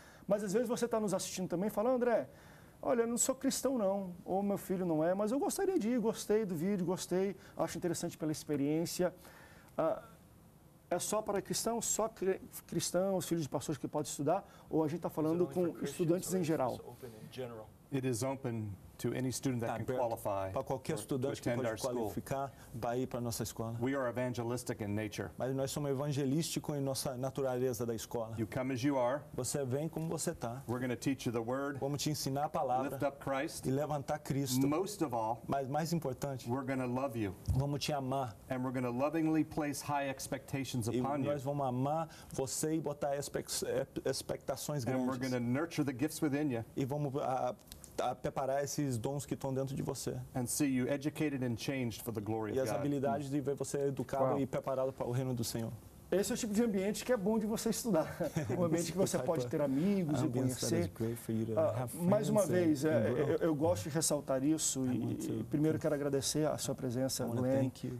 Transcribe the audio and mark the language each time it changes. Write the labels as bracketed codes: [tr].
[pt] Mas às vezes você está nos assistindo também e fala, André, olha, eu não sou cristão não, ou meu filho não é, mas eu gostaria de ir, gostei do vídeo, gostei, acho interessante pela experiência. É só para cristãos, só cristãos, filhos de pastores que podem estudar, ou a gente está falando com estudantes em geral? [en] It is open to any student that can qualify. [pt] Para qualquer estudante que pode qualificar, vai ir para nossa escola. [en] We are evangelistic in nature. [pt] Mas nós somos evangelísticos em nossa natureza da escola. [en] You come as you are. [pt] Você vem como você está. [en] We're going to teach you the word. [pt] Vamos te ensinar a palavra. [en] Lift up Christ. [pt] E levantar Cristo. [en] Most of all. [pt] Mas mais importante. [en] We're going to love you. [pt] Vamos te amar. [en] And we're going to lovingly place high expectations upon you. [pt] E nós vamos amar você e botar expectações grandes. [en] And we're going to nurture the gifts within you. [pt] E vamos a preparar esses dons que estão dentro de você. [en] And see you educated and changed for the glory of God. [pt] E as habilidades de ver você educado e preparado para o reino do Senhor. Esse é o tipo de ambiente que é bom de você estudar. Um ambiente que você pode ter amigos e conhecer. Mais uma vez, eu gosto de ressaltar isso. Primeiro, quero agradecer a sua presença, Glenn.